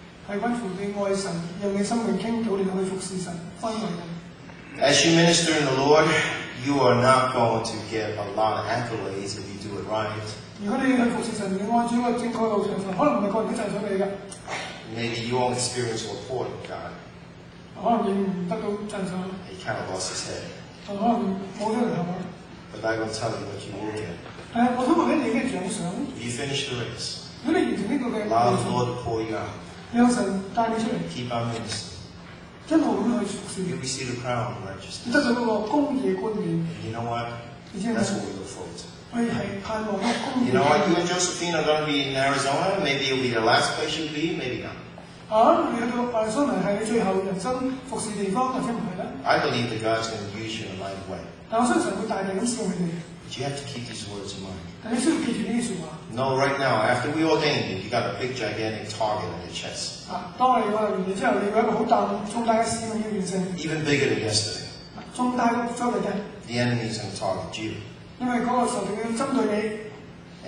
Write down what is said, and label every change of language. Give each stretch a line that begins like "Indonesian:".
Cantonese: 係關乎你愛神，讓你生命傾倒，你去服侍神，歡迎人。
English: As you minister in the Lord, you are not going to get a lot of accolades if you do it right.
Cantonese: 如果你去服侍神，你按住一個正確路程，可能唔係個人都讚賞你㗎。
English: Maybe you won't experience rapport with God.
Cantonese: 可能你唔得到讚賞。
English: He kind of lost his head.
Cantonese: 可能冇咗頭腦。
English: But I will tell you what you will get.
Cantonese: 我想問你，你已經獎賞。
English: You finish the race.
Cantonese: 如果你完成呢個嘅，讓神幫你開眼，讓神帶你出嚟
English: ，keep on ministering，
Cantonese: 真係會去服侍。
English: You will see the crown of righteousness，
Cantonese: 得到嗰個公義嘅冠冕。
English: And you know what？ That's what we look forward to。
Cantonese: 我哋係盼望嗰個公義。
English: You know what？ You and Josephine are going to be in Arizona. Maybe it'll be the last place you'll be. Maybe not。
Cantonese: 你去到亞利桑那係你最後人生服侍地方，或者唔係咧
English: ？I believe that God's going to use you in a mighty way。
Cantonese: 但我相信神會大力咁使用你。
English: But you have to keep these words in mind.
Cantonese: 但你需要記住呢啲説話。
English: No, right now, after we ordained you, you got a big gigantic target on your chest.
Cantonese: 當你話完咗之後，你有一個好大重大嘅使命要完成。
English: Even bigger than yesterday.
Cantonese: 重大過昨日嘅。
English: The enemy is going to target you.
Cantonese: 因為嗰個仇敵要針對你。